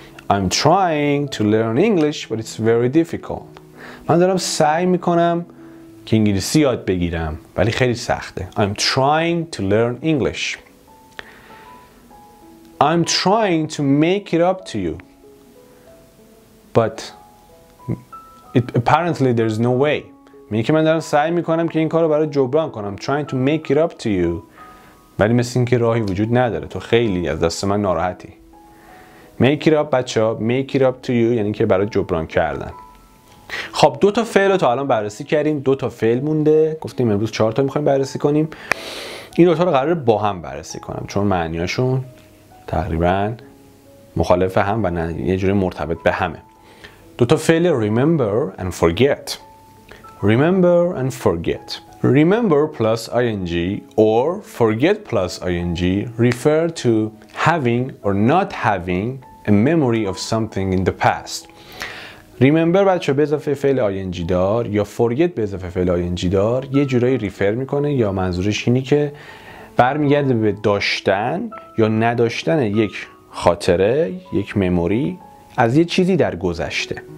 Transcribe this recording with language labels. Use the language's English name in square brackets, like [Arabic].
[English] I'm trying to learn English but it's very difficult. [Persian] من دارم سعی میکنم که انگلیسی یاد بگیرم ولی خیلی سخته. [English] I'm trying to learn English. I'm trying to make it up to you. But apparently there's no way. [Persian] میگه که من دارم سعی میکنم که این کار رو برای جبران کنم. [English] Trying to make it up to you. [Persian] ولی مثل این که راهی وجود نداره. تو خیلی از دست من ناراحتی. [English] Make it up [Persian] بچه ها. [English] Make it up to you [Persian] یعنی که برای جبران کردن. خب دو تا فعل رو تا الان بررسی کردیم، دو تا فعل مونده، گفتیم امروز چهار تا میخوایم بررسی کنیم. این دو تا رو قراره با هم بررسی کنم چون معنیاشون تقریبا مخالف هم و یه جوری مرتبط به همه. دو تا فعل [English] remember and forget. Remember and forget. Remember plus ing or forget plus ing refer to having or not having a memory of something in the past. [Persian] Remember بچه به اضافه فعل ing دار یا forget به اضافه فعل ing دار یه جورایی ریفر میکنه یا منظورش اینی که برمیگرده به داشتن یا نداشتن یک خاطره، یک مموری از یه چیزی در گذشته.